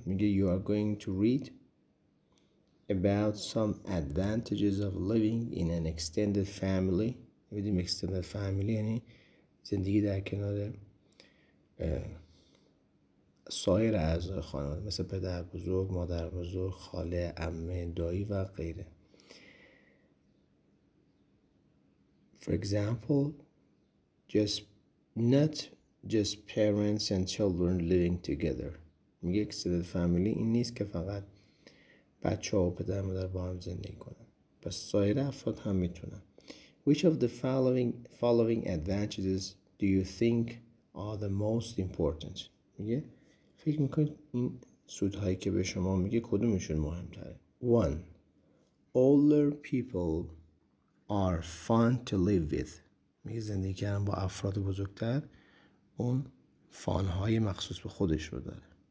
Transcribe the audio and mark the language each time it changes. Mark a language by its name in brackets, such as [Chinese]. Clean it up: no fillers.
[Persian] میگه [English] You are going to read about some advantages of living in an extended family. [Persian] بدیم extended family یعنی زندگی در کنار سایر اعضای خانواده مثل پدر بزرگ، مادر بزرگ، خاله، عمه، دایی و غیره. [English] For example, not just parents and children living together. [Persian] میگه extended family این نیست که فقط بچه ها و پدر مادر با هم زندگی کنن، پس سایر افراد هم میتونن. [English] Which of the following advantages do you think are the most important? [Persian] میگه فکر میکنید این سودهایی که به شما میگه کدومشون مهمتره؟ 1. [English] Older people are fun to live with. [Persian] میگه زندگی کردن با افراد بزرگتر اون فانهای مخصوص به خودش رو داره.